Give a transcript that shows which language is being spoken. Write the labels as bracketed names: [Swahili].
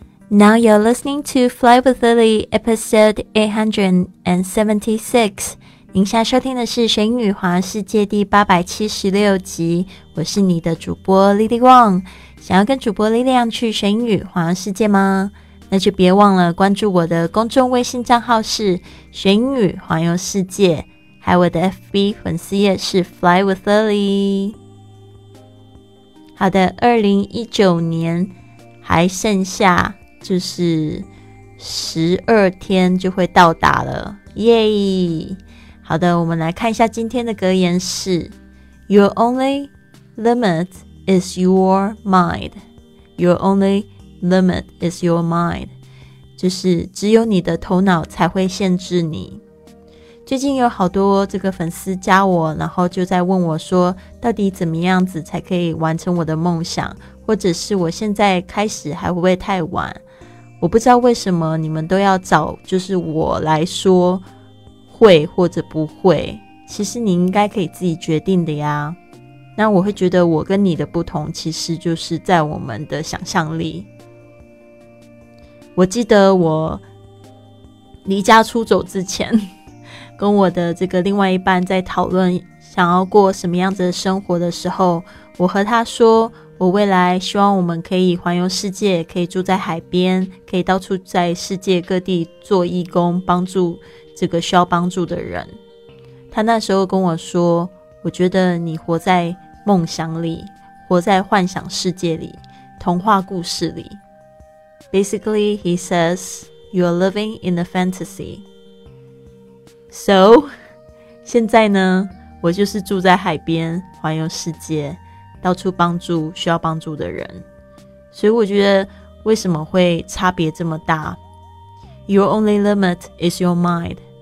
[English] Now you're listening to Fly with Lily, episode 876. [Chinese] 您现在收听的是《学英语环游世界》第876集，我是你的主播 Lily Wang。想要跟主播 Lily 去《学英语环游世界》吗？那就别忘了关注我的公众微信账号是《学英语环游世界》，还有我的 FB 粉丝页是 Fly with Lily。好的，2019年还剩下就是12天就会到达了，耶、yeah! 好的，我们来看一下今天的格言是 [English] Your only limit is your mind. Your only limit is your mind. [Chinese] 就是只有你的头脑才会限制你。最近有好多这个粉丝加我，然后就在问我说到底怎么样子才可以完成我的梦想，或者是我现在开始还会不会太晚。我不知道为什么你们都要找就是我来说会或者不会，其实你应该可以自己决定的呀。那我会觉得我跟你的不同其实就是在我们的想象力。我记得我离家出走之前跟我的这个另外一半在讨论想要过什么样子的生活的时候，我和他说我未来希望我们可以环游世界，可以住在海边，可以到处在世界各地做义工，帮助这个需要帮助的人。他那时候跟我说，我觉得你活在梦想里，活在幻想世界里，童话故事里。 [English] Basically he says you are living in a fantasy. [Chinese] So 现在呢，我就是住在海边环游世界，到处帮助需要帮助的人。所以我觉得为什么会差别这么大， [English] Your only limit is your mind.